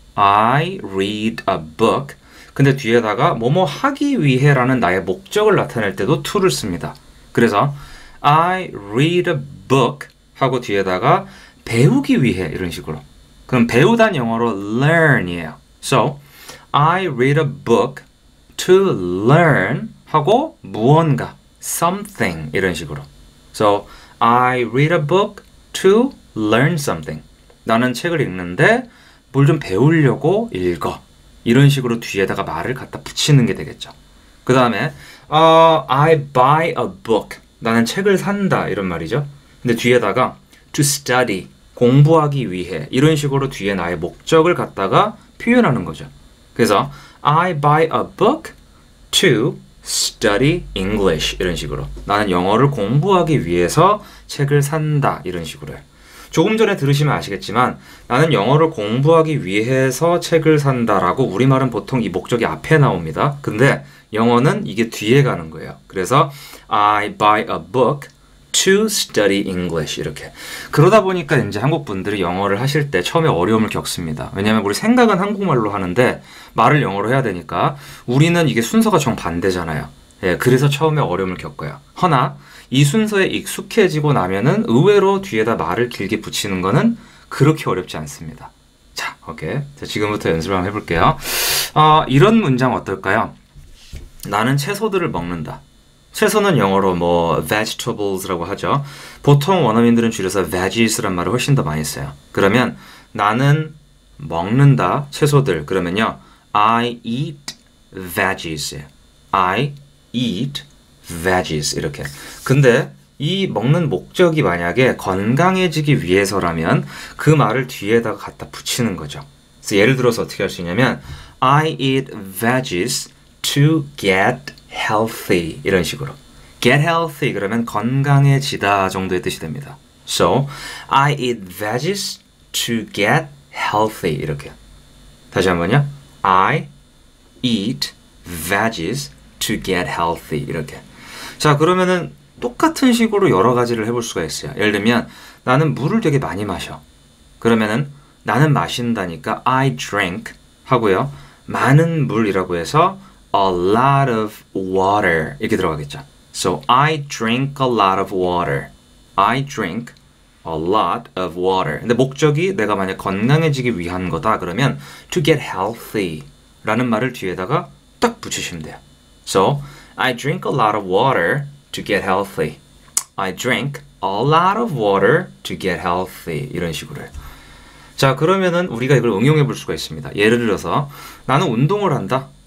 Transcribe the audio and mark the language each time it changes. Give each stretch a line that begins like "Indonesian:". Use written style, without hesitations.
English: I read a book.
Korean: 근데 뒤에다가 뭐뭐 하기 위해 라는 나의 목적을 나타낼 때도 to를 씁니다. 그래서
English: I read a book
Korean: 하고 뒤에다가 배우기 위해 이런 식으로. 그럼 배우단 영어로 learn 이에요.
English: So I read a book to learn
Korean: 하고 무언가
English: something
Korean: 이런 식으로.
English: So I read a book to learn something.
Korean: 나는 책을 읽는데 뭘 좀 배우려고 읽어. 이런 식으로 뒤에다가 말을 갖다 붙이는 게 되겠죠. 그 다음에
English: I buy a book.
Korean: 나는 책을 산다. 이런 말이죠. 근데 뒤에다가
English: to study.
Korean: 공부하기 위해. 이런 식으로 뒤에 나의 목적을 갖다가 표현하는 거죠. 그래서
English: I buy a book to study English.
Korean: 이런 식으로. 나는 영어를 공부하기 위해서 책을 산다. 이런 식으로 해요. 조금 전에 들으시면 아시겠지만 나는 영어를 공부하기 위해서 책을 산다라고 우리말은 보통 이 목적이 앞에 나옵니다. 근데 영어는 이게 뒤에 가는 거예요. 그래서
English: I buy a book to study English
Korean: 이렇게. 그러다 보니까 이제 한국 분들이 영어를 하실 때 처음에 어려움을 겪습니다. 왜냐면 우리 생각은 한국말로 하는데 말을 영어로 해야 되니까 우리는 이게 순서가 정반대잖아요. 예, 그래서 처음에 어려움을 겪어요. 허나 이 순서에 익숙해지고 나면은 의외로 뒤에다 말을 길게 붙이는 거는 그렇게 어렵지 않습니다. 자, 오케이. 자, 지금부터 연습을 한번 해볼게요. 이런 문장 어떨까요? 나는 채소들을 먹는다. 채소는 영어로 뭐 vegetables라고 하죠. 보통 원어민들은 줄여서 veggies란 말을 훨씬 더 많이 써요. 그러면 나는 먹는다, 채소들.
English: 그러면요, I eat veggies. I eat veggies
Korean: 이렇게. 근데 이 먹는 목적이 만약에 건강해지기 위해서라면 그 말을 뒤에다가 갖다 붙이는 거죠. 그래서 예를 들어서 어떻게 할수 있냐면
English: I eat veggies to get healthy
Korean: 이런 식으로.
English: Get healthy
Korean: 그러면 건강해지다 정도의 뜻이 됩니다.
English: So I eat veggies to get healthy
Korean: 이렇게. 다시 한번요.
English: I eat veggies to get healthy
Korean: 이렇게. 자, 그러면은 똑같은 식으로 여러 가지를 해볼 수가 있어요. 예를 들면 나는 물을 되게 많이 마셔. 그러면은 나는 마신다니까
English: I drink
Korean: 하고요. 많은 물이라고 해서
English: a lot of water
Korean: 이렇게 들어가겠죠.
English: So I drink a lot of water. I drink a lot of water.
Korean: 근데 목적이 내가 만약 건강해지기 위한 거다. 그러면
English: to get healthy
Korean: 라는 말을 뒤에다가 딱 붙이시면 돼요.
English: So, I drink a lot of water to get healthy. I drink a lot of water to get healthy.
Korean: 이런 식으로 해요. 자, 그러면은 우리가 이걸 응용해 볼 수가 있습니다. 예를 들어서, 나는 운동을 한다.